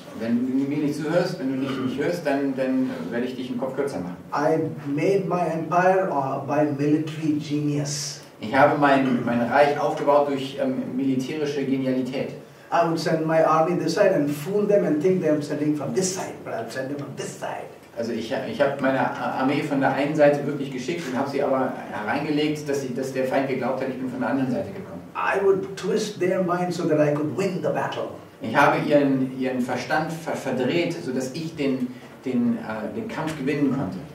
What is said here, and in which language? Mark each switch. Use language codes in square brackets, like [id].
[de] Wenn du mir nicht zuhörst, wenn du nicht mich hörst, dann werde ich dich im Kopf kürzer machen. [en] I made my empire by military genius. [de] Ich habe mein Reich aufgebaut durch militärische Genialität. [en] I would send my army this side and fool them and think they're sending from this side, but I'll send them from this side. [de] Also ich habe meine Armee von der einen Seite wirklich geschickt und habe sie aber hereingelegt, dass der Feind geglaubt hat, ich bin von der anderen Seite gekommen. [en] I would twist their mind so that I could win the battle. [de] Ich habe ihren Verstand verdreht, so dass ich den Kampf gewinnen konnte.